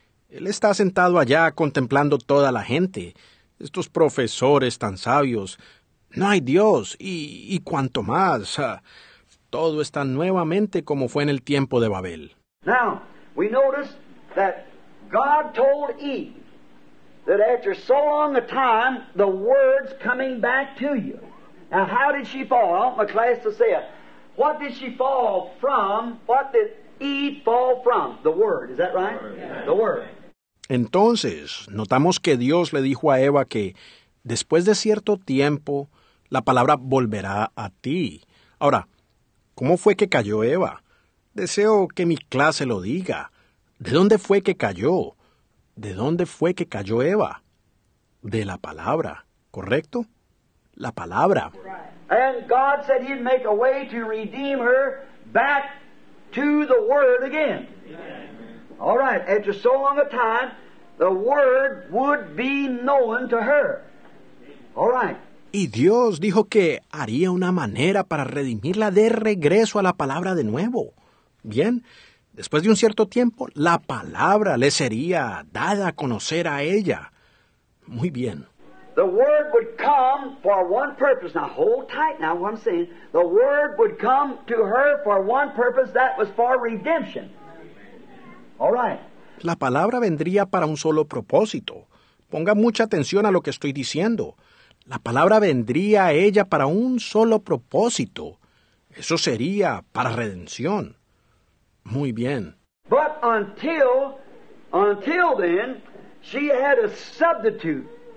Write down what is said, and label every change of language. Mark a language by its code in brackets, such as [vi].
[es] Él está sentado allá contemplando toda la gente. Estos profesores tan sabios. No hay Dios. Y cuanto más. Todo está nuevamente como fue en el tiempo de Babel. [en] Now, we notice that God told Eve that after so long a time, the word's coming back to you. Now, how did she fall? I want my class to say it. What did she fall from? What did Eve fall from? The Word. Is that right? The Word. [es] Entonces, notamos que Dios le dijo a Eva que después de cierto tiempo, la palabra volverá a ti. Ahora, ¿cómo fue que cayó Eva? Deseo que mi clase lo diga. ¿De dónde fue que cayó? ¿De dónde fue que cayó Eva? De la palabra, ¿correcto? La palabra. [en] And God said He'd make a way to redeem her back to the Word again. Amen. All right, after so long a time, the Word would be known to her. All right. [es] Y Dios dijo que haría una manera para redimirla de regreso a la palabra de nuevo. Bien, después de un cierto tiempo, la palabra le sería dada a conocer a ella. Muy bien. [en] The Word would come for one purpose. Now, hold tight now what I'm saying. The Word would come to her for one purpose. That was for redemption. All right. [es] La palabra vendría para un solo propósito. Ponga mucha atención a lo que estoy diciendo. La palabra vendría a ella para un solo propósito. Eso sería para redención. Muy bien. [en] But until then, she had a substitute.